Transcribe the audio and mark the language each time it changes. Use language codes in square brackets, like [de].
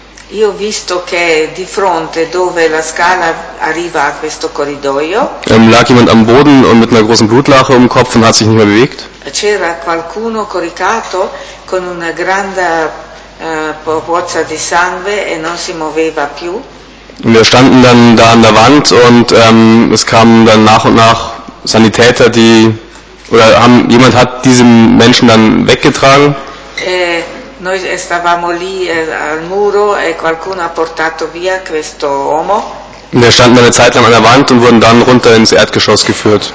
[it] Io ho visto che di fronte dove la scala arriva a questo corridoio. [de] Lag jemand am Boden und mit einer großen Blutlache um den Kopf und hat sich nicht mehr bewegt. [it] C'era qualcuno coricato con una grande pozza di sangue e non si muoveva più. [de] Und wir standen dann da an der Wand und es kamen dann nach und nach Sanitäter, die oder haben jemand hat diesen Menschen dann weggetragen. [it] Noi stavamo lì al muro e qualcuno ha portato via questo uomo. [de] Und wir standen dann eine Zeit lang an der Wand und wurden dann runter ins Erdgeschoss geführt.